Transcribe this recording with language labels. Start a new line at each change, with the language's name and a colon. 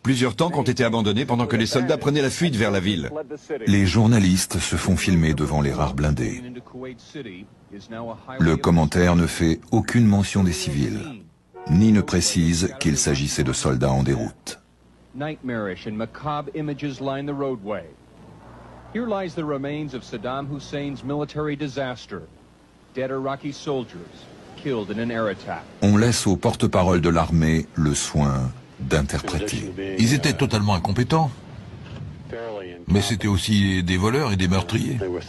French: Plusieurs tanks ont été abandonnés pendant que les soldats prenaient la fuite vers la ville. Les journalistes se font filmer devant les rares blindés. Le commentaire ne fait aucune mention des civils, ni ne précise qu'il s'agissait de soldats en déroute.
English: Nightmarish and macabre images line the roadway. Here lies the remains of Saddam Hussein's military disaster. Dead Iraqi soldiers killed in an air attack.
French: On laisse aux porte-parole de l'armée le soin d'interpréter. Ils étaient totalement incompétents. Mais c'était aussi des voleurs et des meurtriers.